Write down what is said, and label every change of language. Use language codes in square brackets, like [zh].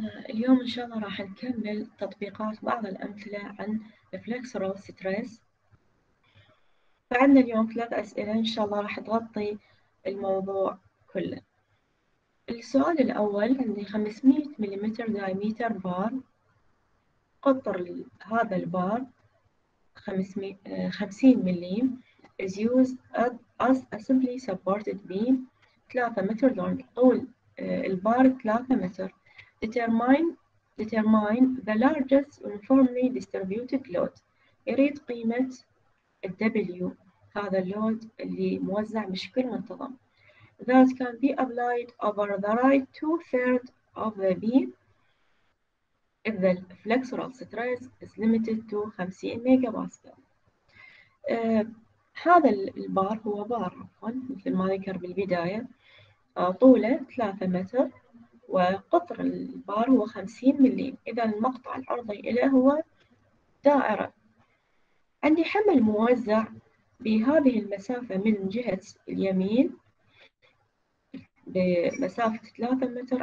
[ar] اليوم إن شاء الله راح نكمل تطبيقات بعض الأمثلة عن فليكسر أو ستريس. فعندنا اليوم 3 أسئلة إن شاء الله راح تغطي الموضوع كله. السؤال الأول عندي 500 مليمتر دايمتر بار. قطر هذا البار 50 مليم [en] is used as a simply supported beam 3 [ar] متر لونج. طول البار 3 متر. [en] Determine the largest uniformly distributed load. [ar] يريد قيمة ال W هذا اللود اللي موزع بشكل منتظم. [en] That can be applied over the right 2/3 of the beam if the flexural stress is limited to 50 MPa. [ar] هذا البار هو بار عفوا مثل ما ذكر بالبداية. طوله 3 متر وقطر البار هو 50 مليم. إذا المقطع العرضي إله هو دائرة. عندي حمل موزع بهذه المسافة من جهة اليمين بمسافة 3 متر.